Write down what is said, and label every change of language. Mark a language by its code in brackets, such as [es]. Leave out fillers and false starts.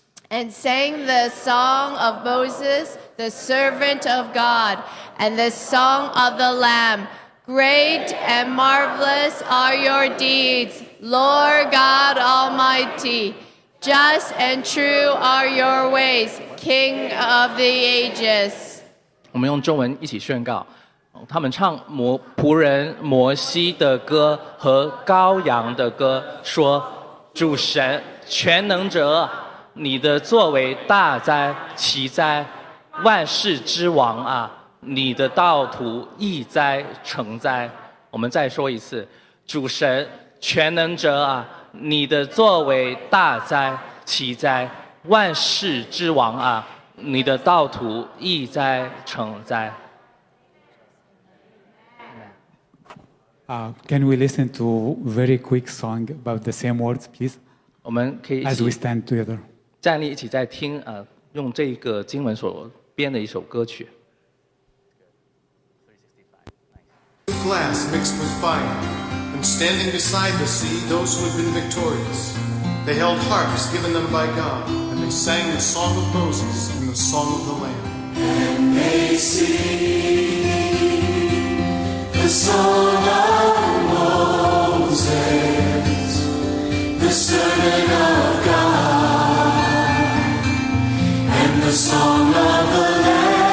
[en] And sang the song of Moses, the servant of God, and the song of the Lamb. Great and marvelous are your deeds. Lord God Almighty, just and true are your ways, King of the ages. [zh] 我们用中文一起宣告，他们唱仆人摩西的歌和羔羊的歌，说：主神全能者，你的作为大哉奇哉，万世之王啊，你的道途易哉成哉。我们再说一次，主神。全能者啊，你的作为大哉奇哉，万世之王啊，你的道途易哉成哉。 [en] Can we listen to a very quick song about the same words, please? [zh] 我们可以 [en] as we stand together [zh] 站立一起在听用这个经文所编的一首歌曲。 [en] Glass mixed with fire. And standing beside the sea, those who had been victorious, they held harps given them by God, and they sang the song of Moses and the song of the Lamb. And they sing the song of Moses, the servant of God, and the song of the Lamb.